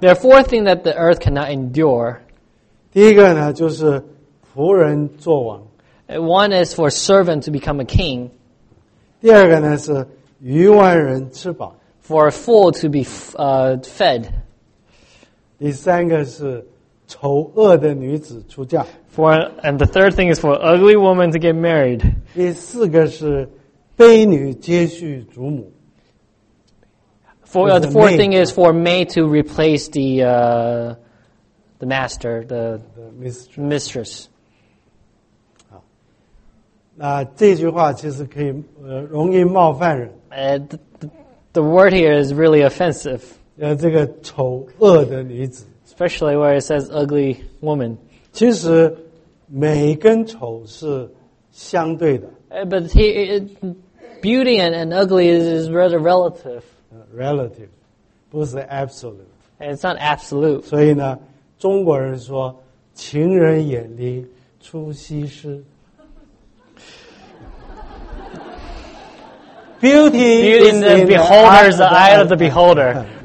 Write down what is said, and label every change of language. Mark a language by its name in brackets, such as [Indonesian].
[English] There are four things that the earth cannot endure. [Chinese] 第一个呢，就是仆人做王。 [English] One is for a servant to become a king. [Chinese] 第二个呢，是 余万人吃饱。 [English] For a fool to be fed. [Chinese] 第三个是丑恶的女子出嫁。 [English] And the third thing is for an ugly woman to get married. [Chinese] 第四个是卑女接续祖母。 [English] The fourth thing is for a maid to replace the master, the mistress. [Chinese] 那这句话其实可以容易冒犯人。 [English] The word here is really offensive. [Chinese] 这个丑恶的女子。 [English] Especially where it says ugly woman. [Chinese] 其实美跟丑是相对的。 [English] But beauty and ugly is rather relative. Relative. [Chinese] 不是 absolute. [English] It's not absolute. [Chinese] 所以呢， 中国人说， 情人眼里出西施。 [English] Beauty in the beholder is the eye of the beholder.